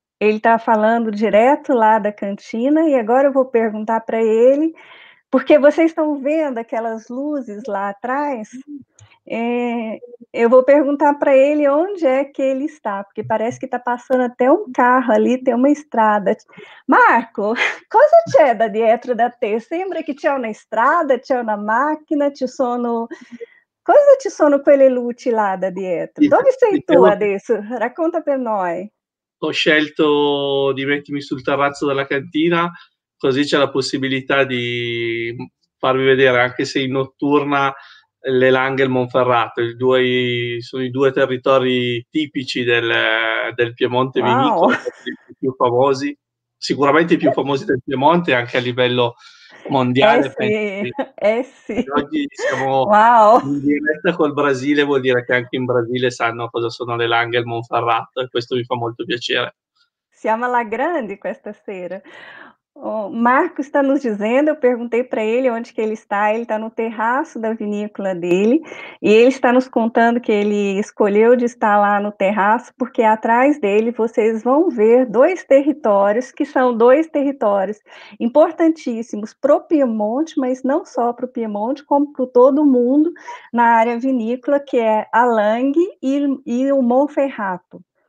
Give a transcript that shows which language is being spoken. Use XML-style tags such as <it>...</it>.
<pt>Ele está falando direto lá da cantina. E agora eu vou perguntar para ele, porque vocês estão vendo aquelas luzes lá atrás? Eu vou perguntar para ele onde é que ele está, porque parece que está passando até um carro ali, tem uma estrada.</pt> <it>Marco, cosa c'è da dietro da te? Sembra que c'è una strada, c'è una macchina, ci sono. Cosa ci sono quelle luci là da dietro? Dove sei tu Diciamo che adesso? Racconta per noi. ho scelto di mettermi sul terrazzo della cantina, così c'è la possibilità di farvi vedere, anche se in notturna, le Langhe e il Monferrato. Sono i due territori tipici del Piemonte Wow! vinicolo, i più famosi, sicuramente i più famosi del Piemonte, anche a livello mondiale. Penso Eh sì, che oggi siamo wow! in diretta col Brasile, vuol dire che anche in Brasile sanno cosa sono le Langhe e il Monferrato, e questo mi fa molto piacere. Siamo alla grande questa sera.</it> <pt>O Marco está nos dizendo, eu perguntei para ele onde que ele está, ele está no terraço da vinícola dele, e ele está nos contando que ele escolheu de estar lá no terraço, porque atrás dele vocês vão ver dois territórios, que são dois territórios importantíssimos para o Piemonte, mas não só para o Piemonte, como para todo mundo na área vinícola, que é a Langhe e o Monferrato.</pt>